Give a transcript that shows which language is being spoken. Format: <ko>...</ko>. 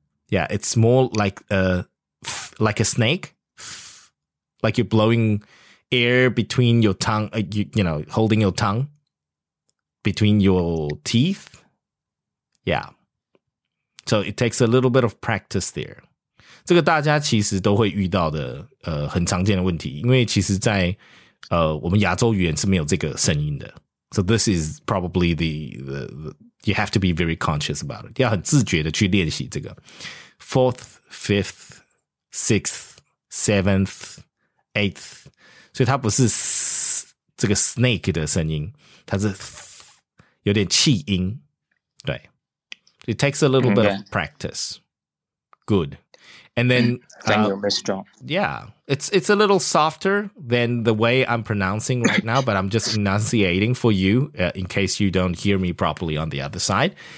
<en>Yeah, it's more like a snake, like you're blowing air between your tongue, you know, holding your tongue between your teeth. Yeah. So it takes a little bit of practice there.</en> <zh>这个大家其实都会遇到的很常见的问题，因为其实在我们亚洲语言是没有这个声音的。</zh> <en>So this is probably the you have to be very conscious about it.</en> <zh>要很自觉的去练习这个。</zh> <en>Fourth, fifth, sixth, seventh, eighth.</en> <zh>所以它不是这个 snake 的声音，它是有点气音。对。</zh> <en>It takes a little bit of practice. Good. And then, thank you, Mr. John. Yeah, it's a little softer than the way I'm pronouncing right now, but I'm just enunciating for you in case you don't hear me properly on the other side.</en>